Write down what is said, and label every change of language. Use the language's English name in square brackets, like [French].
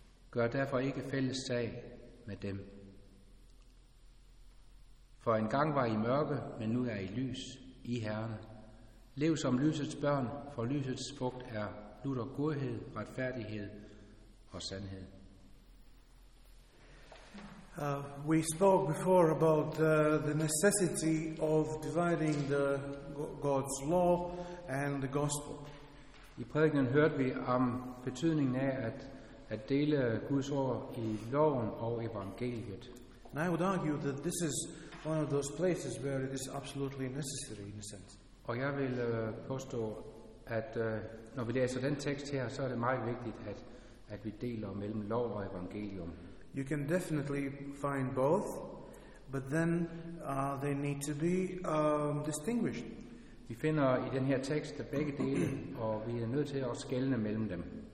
[Danish] Gør derfor ikke fælles sag med dem. For engang var I mørke, men nu er I lys i Herren. Lev som lysets børn, for lysets frugt er lutter godhed, retfærdighed og sandhed. [English] We spoke before about the necessity of dividing the God's law and the gospel. [Danish] I prædikenen hørte vi om betydningen af at dele Guds ord i loven og evangeliet. [English] And I would argue that this is one of those places where it is absolutely necessary in a sense. [Danish] Og jeg vil påstå, at når vi læser den tekst her, så er det meget vigtigt, at vi deler mellem lov og evangelium. [English] You can definitely find both, but then they need to be distinguished. [Danish] Vi finder i den her tekst der begge dele, og vi er nødt til at skelne mellem dem.